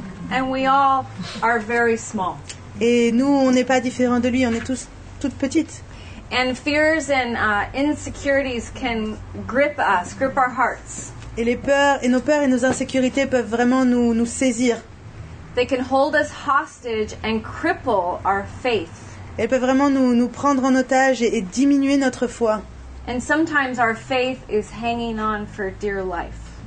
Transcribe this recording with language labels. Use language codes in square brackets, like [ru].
[en] And we all are very small. [fr] Et nous, on n'est pas différents de lui. On est tous toutes petites. [en] And fears and insecurities can grip us, grip our hearts. [fr] Et les peurs et nos peurs et nos insécurités peuvent vraiment nous saisir. [en] They can hold us hostage and cripple our faith. [fr] Elles peuvent vraiment nous prendre en otage et diminuer notre foi. [en] And sometimes our faith is hanging on for dear life.